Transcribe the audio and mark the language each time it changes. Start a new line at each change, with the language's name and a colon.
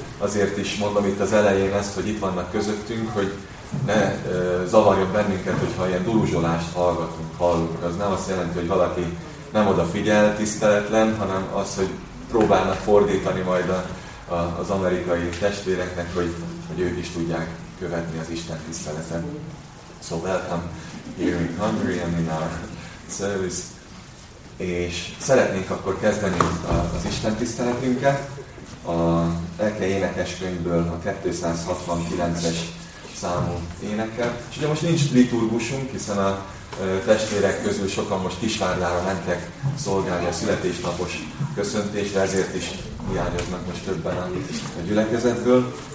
Hungarian: Azért is mondom itt az elején ezt, hogy itt vannak közöttünk, hogy ne zavarjon bennünket, hogyha ilyen duruzsolást hallunk. Az nem azt jelenti, hogy valaki nem odafigyel, tiszteletlen, hanem az, hogy próbálnak fordítani majd az amerikai testvéreknek, hogy ők is tudják követni az Isten tiszteleten.
English: So welcome here in Hungary and in our service.
Hungarian: És szeretnénk akkor kezdeni az Isten tiszteletünket. A Elke énekeskönyvből a 269-es számú éneket. És ugye most nincs liturgusunk, hiszen a testvérek közül sokan most Kisvárdára mentek szolgálni a születésnapos köszöntésre, ezért is hiányoznak most többen a gyülekezetből.